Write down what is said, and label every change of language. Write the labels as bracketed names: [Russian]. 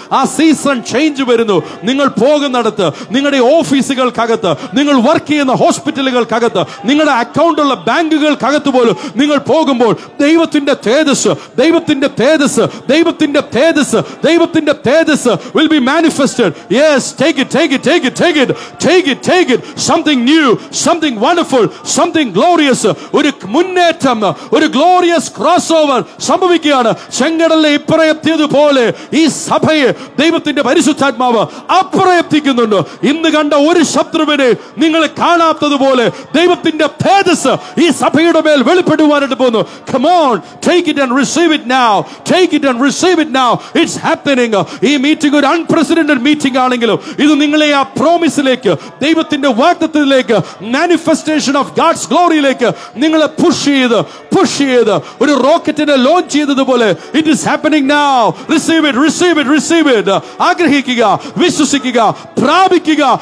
[Malayalam] ആ season change വരുന്നു. നിങ്ങൾ പോകുന്നിടത്ത്, നിങ്ങളുടെ ഓഫീസുകൾക്കകത്ത്, നിങ്ങൾ വർക്ക് ചെയ്യുന്ന ഹോസ്പിറ്റലുകൾക്കകത്ത്, നിങ്ങളുടെ അക്കൗണ്ടുള്ള ബാങ്കുകൾക്കകത്ത് പോലും നിങ്ങൾ പോകുമ്പോൾ ദൈവത്തിന്റെ തേജസ്, ദൈവത്തിന്റെ തേജസ്, ദൈവത്തിന്റെ തേജസ്, ദൈവത്തിന്റെ തേജസ് [English] will be manifested. Yes, take it, take it, take it, take it, take it, take it. Something new, something wonderful, something glorious. [Malayalam] ഒരു മുന്നേറ്റം, ഒരു glorious crossover സംഭവിക്കുകയാണ്. ചെങ്കടലിലെ ഇപ്പുറയെത്തിയതുപോലെ ഈ സഭയെ ദൈവത്തിന്റെ പരിശുദ്ധാത്മാവ് അപ്പുറയെത്തിക്കുന്നുണ്ട്. ഇന്ന് കണ്ട ഒരു ശത്രുവിനെ നിങ്ങൾ കാണാത്തതുപോലെ ദൈവത്തിന്റെ തേജസ് ഈ സഭയുടെ മേൽ വെളിപ്പെടുവാനായിട്ട് പോകുന്നു. [English] Come on, take it and receive it now. Take it and receive it now. It's happening. [Malayalam] ഈ മീറ്റിംഗ് ഒരു അൺപ്രസിഡന്റഡ് മീറ്റിംഗ് ആണെങ്കിലും ഇത് നിങ്ങളെ ആ പ്രോമിസിലേക്ക്, ദൈവത്തിന്റെ വാഗ്ദത്തത്തിലേക്ക്, മാനിഫെസ്റ്റേഷൻ ഓഫ് ഗോഡ്സ് ഗ്ലോറിയിലേക്ക് നിങ്ങളെ പുഷ് ചെയ്ത് ഒരു റോക്കറ്റിനെ ലോഞ്ച് ചെയ്തതുപോലെ. [English] It is happening now. Receive it, receive it, receive it. [Malayalam] ആഗ്രഹിക്കുക, വിശ്വസിക്കുക, പ്രാപിക്കുക.